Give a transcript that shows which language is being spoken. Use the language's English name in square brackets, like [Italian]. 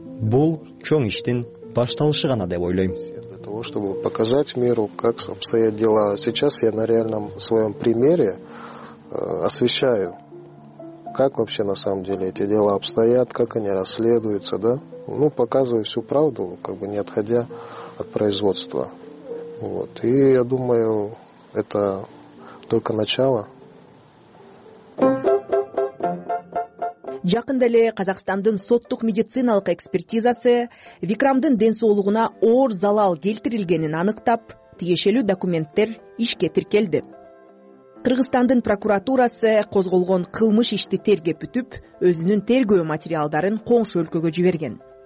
[Kyrgyz] Бул чоң иштин башталышы гана деп ойлойм. [Russian] Чтобы показать миру, как обстоят дела. Сейчас я на реальном своём примере освещаю, как вообще на самом деле эти дела обстоят, как они расследуются, да? Ну, показываю всю правду, как бы не отходя от производства. Вот. И я думаю, это только начало. [Kyrgyz] Жакында эле Казакстандын соттук медициналык экспертизасы Викрамдын ден соолугуна оор залал келтирилгенин аныктап, тиешелүү документтер ишке тиркелди. Кыргызстандын прокуратурасы козголгон кылмыш ишти тергеп бүтүп, өзүнүн тергөө материалдарын коңшу өлкөгө жиберген.